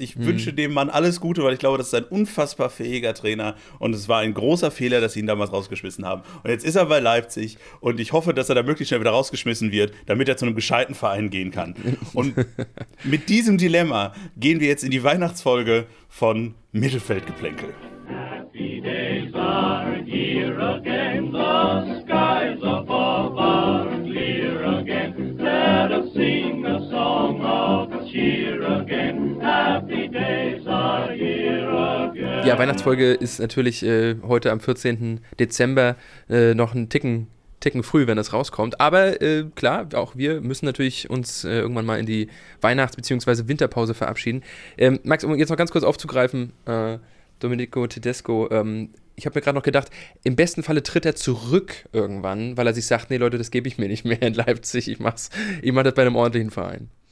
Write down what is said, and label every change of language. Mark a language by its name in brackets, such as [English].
[German] Ich wünsche dem Mann alles Gute, weil ich glaube, das ist ein unfassbar fähiger Trainer. Und es war ein großer Fehler, dass sie ihn damals rausgeschmissen haben. Und jetzt ist er bei Leipzig und ich hoffe, dass er da möglichst schnell wieder rausgeschmissen wird, damit er zu einem gescheiten Verein gehen kann. Und mit diesem Dilemma gehen wir jetzt in die Weihnachtsfolge von Mittelfeldgeplänkel. [English] Happy days are here again, the skies above are clear again. Let us sing a song of cheer again. Happy days are here [German] Ja, [English] again. [German] Weihnachtsfolge ist natürlich heute am 14. Dezember noch ein Ticken früh, wenn das rauskommt. Aber klar, auch wir müssen natürlich uns irgendwann mal in die Weihnachts- bzw. Winterpause verabschieden. Max, um jetzt noch ganz kurz aufzugreifen, Domenico Tedesco, ich habe mir gerade noch gedacht, im besten Falle tritt er zurück irgendwann, weil er sich sagt, nee Leute, das gebe ich mir nicht mehr in Leipzig, ich mach das bei einem ordentlichen Verein.